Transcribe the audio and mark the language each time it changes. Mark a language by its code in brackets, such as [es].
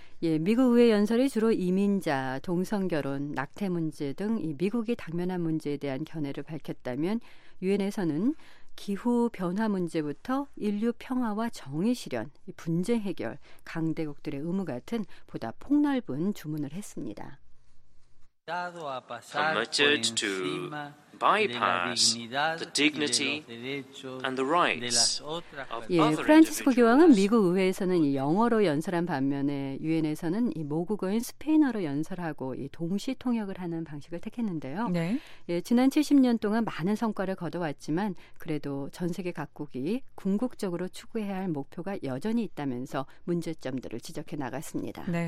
[ko] 예, 미국 의회 연설이 주로 이민자, 동성결혼, 낙태 문제 등 이 미국이 당면한 문제에 대한 견해를 밝혔다면 유엔에서는 기후변화 문제부터 인류 평화와 정의 실현, 분쟁 해결, 강대국들의 의무 같은 보다 폭넓은 주문을 했습니다. [en] Committed to bypass the dignity and the rights of other individuals. [ko] 예, 프란치스코 교황은 미국 의회에서는 영어로 연설한 반면에 유엔에서는 모국어인 스페인어로 연설하고 동시 통역을 하는 방식을 택했는데요. 네. 예, 지난 70년 동안 많은 성과를 거둬왔지만 그래도 전 세계 각국이 궁극적으로 추구해야 할 목표가 여전히 있다면서 문제점들을 지적해 나갔습니다.